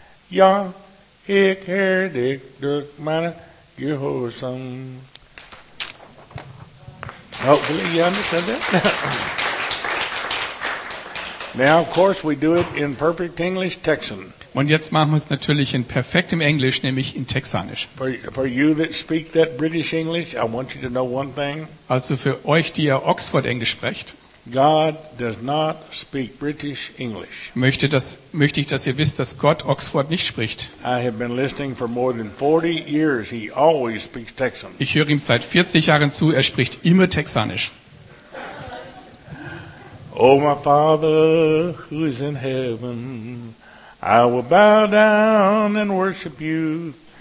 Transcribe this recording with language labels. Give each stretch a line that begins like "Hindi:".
German: Ja, ich höre dich durch meine Gehorsam.
English: Hopefully you understand that. Now, of course, we do it in perfect English, Texan.
German: Und jetzt machen wir es natürlich in perfektem Englisch, nämlich in Texanisch.
English: For you that speak that British English, I want you to know one thing.
German: Also für euch, die ihr Oxford-Englisch sprecht.
English: God does not speak British English.
German: Möchte ich, dass ihr wisst, dass Gott Oxford nicht spricht.
English: I have been listening for more than 40 years. He always speaks Texan.
German: Ich höre ihm seit 40 Jahren zu. Er spricht immer Texanisch.
English: Oh, my Father, who is in heaven, I will bow down and worship you.